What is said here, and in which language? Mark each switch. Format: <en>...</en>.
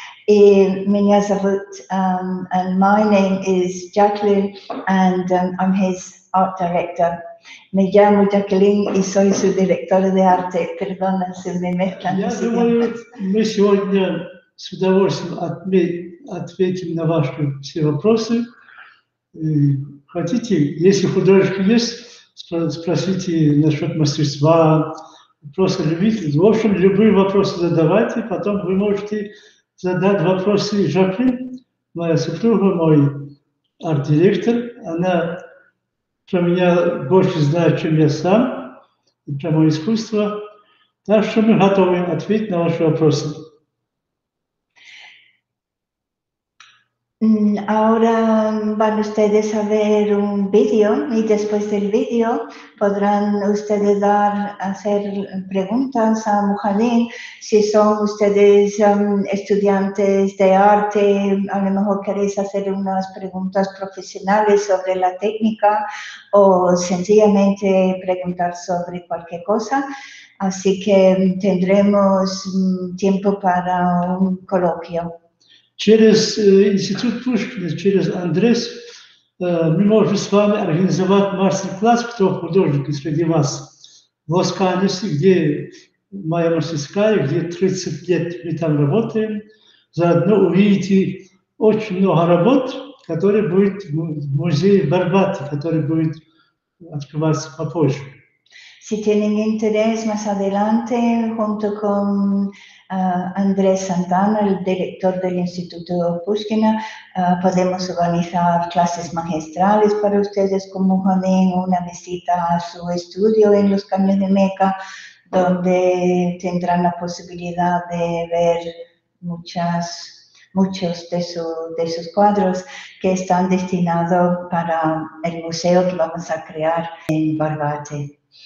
<ru>И меня зовут,</ru> <en>and my name is Jacqueline, and I'm his art director.</en> <es>Me llamo Jacqueline y soy su directora de arte. Perdona si me mezclan.</es> <ru>Я думаю, мы сегодня с удовольствием ответим на ваши все вопросы. Хотите, если художник есть, спросите насчет мастерства, просто любитель. В общем, любые вопросы задавайте, потом вы можете задать вопросы Жаклин, моя супруга, мой арт-директор. Она про меня больше знает, чем я сам, про мое искусство. Так что мы готовы ответить на ваши вопросы.</ru> <es>Ahora van ustedes a ver un vídeo y después del vídeo podrán ustedes hacer preguntas a Mujahedin. Si son ustedes estudiantes de arte, a lo mejor queréis hacer unas preguntas profesionales sobre la técnica o sencillamente preguntar sobre cualquier cosa. Así que tendremos tiempo para un coloquio.</es> <ru>Через Институт Пушкина, через Андрес, мы можем с вами организовать мастер-класс, кто художник среди вас, в Лос-Анджелесе, где моя мастерская, где 30 лет мы там работаем. Заодно увидите очень много работ, которые будут в музее Барбате, который будет открываться попозже.</ru> <es>Si tienen interés, más adelante, junto con Andrés Santana, el director del Instituto Pushkina, podemos organizar clases magistrales para ustedes, como también una visita a su estudio en los Caños de Meca, donde tendrán la posibilidad de ver muchos de sus cuadros que están destinados para el museo que vamos a crear en Barbate.</es>